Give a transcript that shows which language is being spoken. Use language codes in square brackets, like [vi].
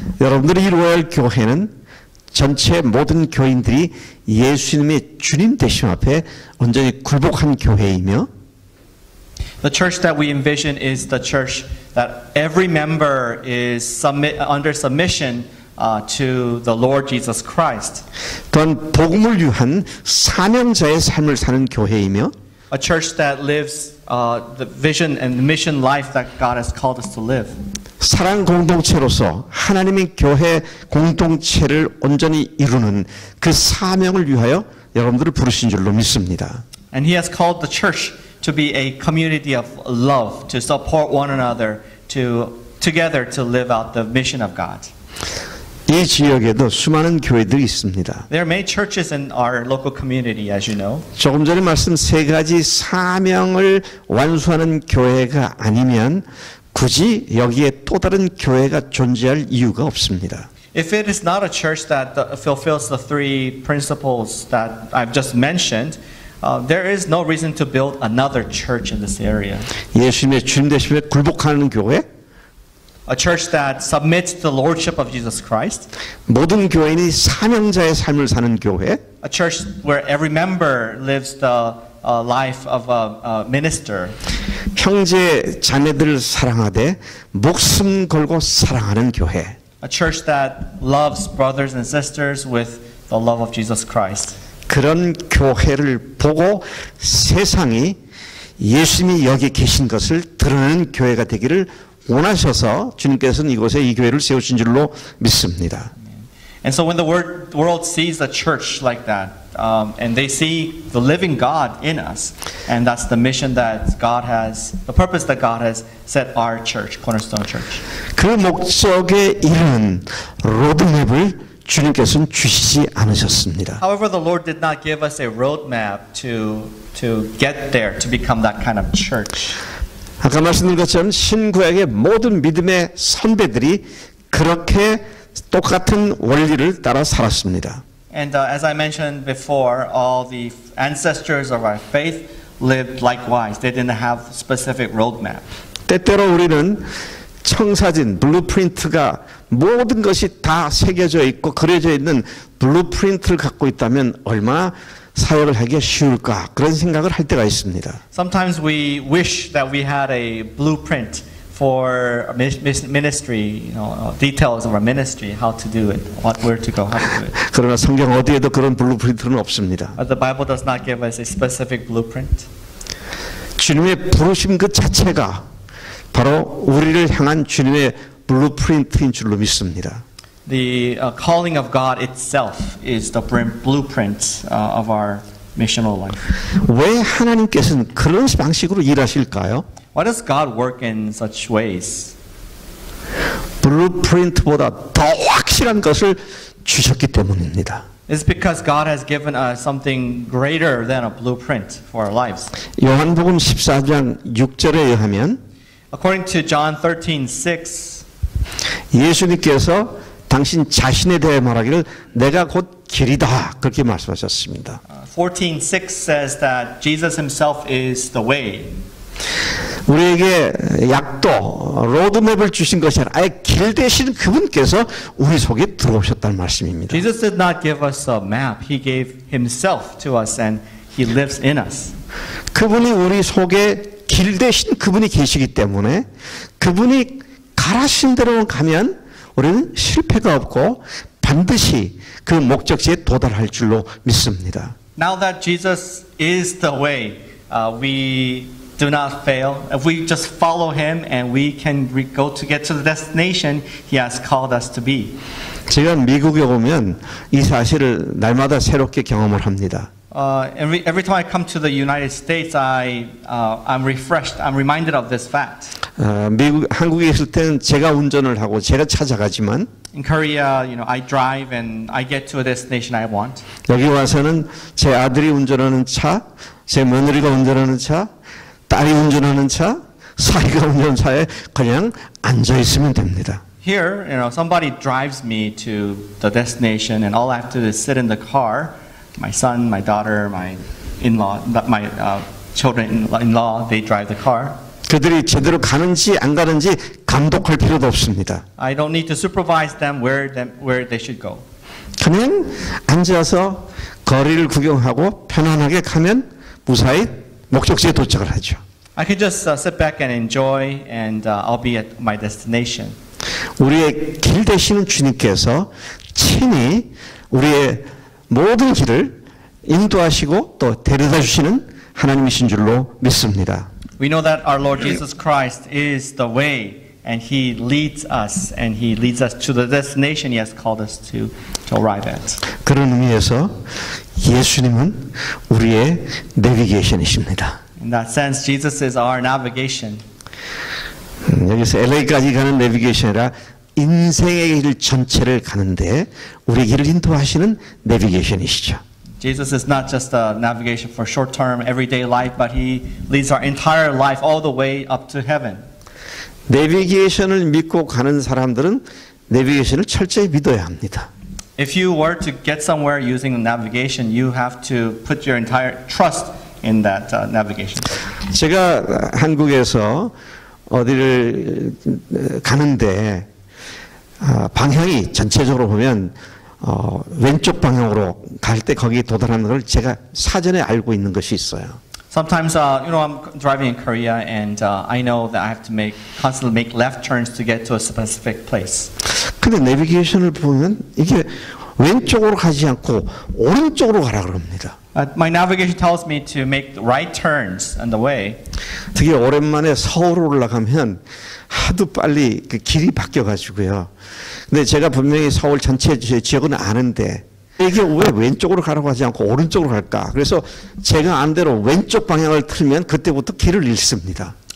[ko] 여러분들이 이루어야 교회는 전체 모든 교인들이 예수님의 주님 되심 앞에 온전히 굴복한 교회이며 [en] The church that we envision is the church that every member is under submission to the Lord Jesus Christ. [ko] 또한 복음을 위한 사명자의 삶을 사는 교회이며, [en] a church that lives the vision and the mission life that God has called us to live. [ko] 사랑 공동체로서 하나님의 교회 공동체를 온전히 이루는 그 사명을 위하여 여러분들을 부르신 줄로 믿습니다. [en] And He has called the church to be a community of love to support one another to together to live out the mission of God. [ko] 이 지역에도 수많은 교회들이 있습니다. [en] There are many churches in our local community, as you know. [ko] 조금 전에 말씀 세 가지 사명을 완수하는 교회가 아니면 굳이 여기에 또 다른 교회가 존재할 이유가 없습니다. [en] If it is not a church that fulfills the three principles that I've just mentioned, there is no reason to build another church in this area. [ko] 예수님의 주님 되심에 굴복하는 교회. [en] A church that submits the lordship of Jesus Christ. [ko] 모든 교인이 사명자의 삶을 사는 교회. [en] A church where every member lives the life of a minister. [ko] 형제 자매들을 사랑하되 목숨 걸고 사랑하는 교회. [en] A church that loves brothers and sisters with the love of Jesus Christ. [ko] 그런 교회를 보고 세상이 예수님이 여기 계신 것을 드러내는 교회가 되기를 원하셔서 주님께서는 이곳에 이 교회를 세우신 줄로 믿습니다. [en] And so when the world sees a church like that, and they see the living God in us, and that's the mission that God has, the purpose that God has set our church, Cornerstone Church. [ko] 그 목적에 이르는 로드맵을 주님께서는 주시지 않으셨습니다. [en] However, the Lord did not give us a roadmap to get there, to become that kind of church. [ko] 아까 말씀드린 것처럼 신구약의 모든 믿음의 선배들이 그렇게 똑같은 원리를 따라 살았습니다. [en] And as I mentioned before, all the ancestors of our faith lived likewise. They didn't have specific roadmap. [ko] 때때로 우리는 청사진, 블루프린트가 모든 것이 다 새겨져 있고 그려져 있는 블루프린트를 갖고 있다면 얼마나 사역을 하기 쉬울까 그런 생각을 할 때가 있습니다. [en] Sometimes we wish that we had a blueprint for ministry, you know, details of our ministry, how to do it, what where to go, how to do it. [ko] 그러나 성경 어디에도 그런 블루프린트는 없습니다. [en] But the Bible does not give us a specific blueprint. [ko] 주님의 부르심 그 자체가 바로 우리를 향한 주님의 블루프린트인 줄로 믿습니다. [en] The calling of God itself is the blueprint of our missional life. [ko] 왜 하나님께서는 그런 방식으로 일하실까요? [en] Why does God work in such ways? [ko] 블루프린트보다 더 확실한 것을 주셨기 때문입니다. [en] It's because God has given us something greater than a blueprint for our lives. [ko] 요한복음 14장 6절에 의하면 [en] According to John 13:6 [ko] 예수님께서 당신 자신에 대해 말하기를 내가 곧 길이다 그렇게 말씀하셨습니다. [en] 14:6 says that Jesus himself is the way. [ko] 우리에게 약도 로드맵을 주신 것이 아니라 아예 길 대신 그분께서 우리 속에 들어오셨다는 말씀입니다. [en] Jesus did not give us a map. He gave himself to us and he lives in us. [ko] 그분이 우리 속에 길 대신 그분이 계시기 때문에 그분이 가라신 대로 가면 우리는 실패가 없고 반드시 그 목적지에 도달할 줄로 믿습니다. [en] Now that Jesus is the way, we do not fail. If we just follow him and we can go to get to the destination he has called us to be. [ko] 제가 미국에 오면 이 사실을 날마다 새롭게 경험을 합니다. [en] Every time I come to the United States, I'm refreshed. I'm reminded of this fact. [ko] 미국 한국에 있을 때는 제가 운전을 하고 제가 찾아가지만. [en] In Korea, you know, I drive and I get to a destination I want. [ko] 여기 와서는 제 아들이 운전하는 차, 제 며느리가 운전하는 차, 딸이 운전하는 차, 사위가 운전하는 차에 그냥 앉아 있으면 됩니다. [en] Here, you know, somebody drives me to the destination, and all I have to do is sit in the car. My son, my daughter, my in-law, my children in-law, they drive the car. [ko] 그들이 제대로 가는지 안 가는지 감독할 필요도 없습니다. [en] I don't need to supervise them where they should go. [ko] 그냥 앉아서 거리를 구경하고 편안하게 가면 무사히 목적지에 도착을 하죠. [en] I can just sit back and enjoy and I'll be at my destination. [ko] 우리의 길 되시는 주님께서 친히 우리의 모든 길을 인도하시고 또 데려다 주시는 하나님이신 줄로 믿습니다. [en] We know that our Lord Jesus Christ is the way and he leads us and he leads us to the destination he has called us to arrive at. [ko] 그런 의미에서 예수님은 우리의 내비게이션이십니다. [en] In that sense, Jesus is our navigation. [ko] 여기서 LA까지 가는 내비게이션이라 인생의 길 전체를 가는데 우리 길을 인도하시는 내비게이션이시죠. [en] Jesus is not just a navigation for short-term everyday life, but he leads our entire life all the way up to heaven. [ko] 내비게이션을 믿고 가는 사람들은 내비게이션을 철저히 믿어야 합니다. [en] If you were to get somewhere using navigation, you have to put your entire trust in that navigation. [ko] 제가 한국에서 어디를 가는데 방향이 전체적으로 보면 왼쪽 방향으로 갈 때 거기 도달하는 걸 제가 사전에 알고 있는 것이 있어요. [en] Sometimes you know I'm driving in Korea and I know that I have to make left turns to get to a specific place. [ko] 근데 내비게이션을 보면 이게 왼쪽으로 가지 않고 오른쪽으로 가라 그럽니다. [en] My navigation tells me to make right turns on the way. [ko] 특히 오랜만에 서울 올라가면 하도 빨리 그 길이 바뀌어 가지고요. 근데 제가 분명히 서울 전체 지역은 아는데 이게 왜 왼쪽으로 가라고 하지 않고 오른쪽으로 갈까? 그래서 제가 안 대로 왼쪽 방향을 틀면 그때부터 길을 잃습니다.